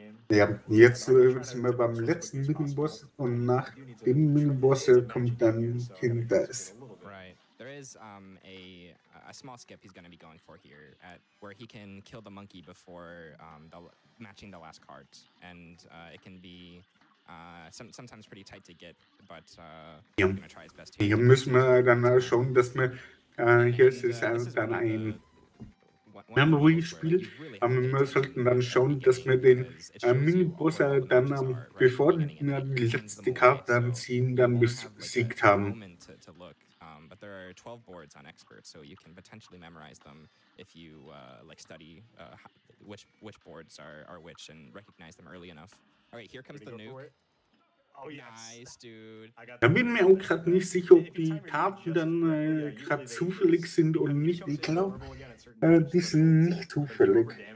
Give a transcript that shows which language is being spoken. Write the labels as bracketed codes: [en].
[de] Ja, jetzt sind wir beim letzten Minenboss und nach dem Minenboss kommt dann Kindes. [en] There is a small skip he's going to be going for here at where he can kill the monkey before matching the last card, and it can be sometimes pretty tight to get, but yeah. We're going to try his best here. [de] Hier müssen wir dann schauen, dass wir hier ist es dann ein Memory-Spiel, aber wir sollten dann schauen, dass wir den Mini-Boss dann, bevor wir die letzte Karte dann ziehen, dann besiegt haben. [en] There are 12 boards on expert, so you can potentially memorize them if you study which boards are which and recognize them early enough. All right, here comes the nuke. Oh yes. Nice, dude. [de] Da bin mir auch gerade nicht sicher, ob die Karten dann gerade zufällig sind oder nicht. Ich glaube, die sind nicht zufällig.